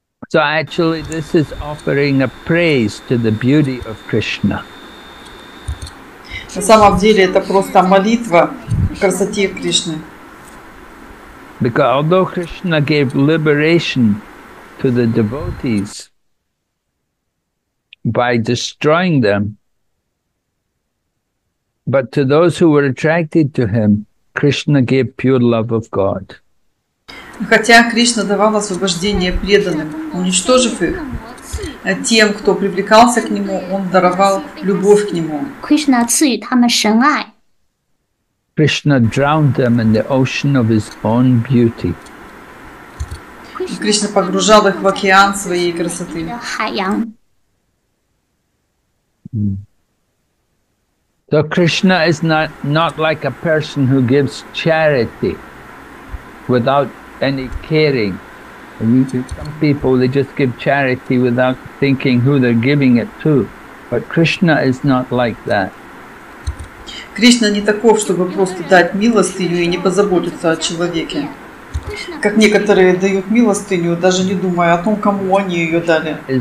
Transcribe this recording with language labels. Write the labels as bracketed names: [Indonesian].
[English] So actually, this is offering a praise to the beauty of Krishna. [Russian] На самом деле это просто молитва о красоте Кришны. [English] Because although Krishna gave liberation to the devotees by destroying them, but to those who were attracted to him, Krishna gave pure love of God. [Russian] Хотя Кришна давал освобождение преданным, уничтожив их, тем, кто привлекался к нему, он даровал любовь к нему. [English] Krishna drowned them in the ocean of his own beauty. [Russian] Krishna погружал их в океан своей красоты. [English] So Krishna is not like a person who gives charity without any caring. Some people, they just give charity without thinking who they're giving it to. But Krishna is not like that. [Russian] Кришна не таков, чтобы просто дать милостыню и не позаботиться о человеке. Как некоторые дают милостыню, даже не думая о том, кому они ее дали.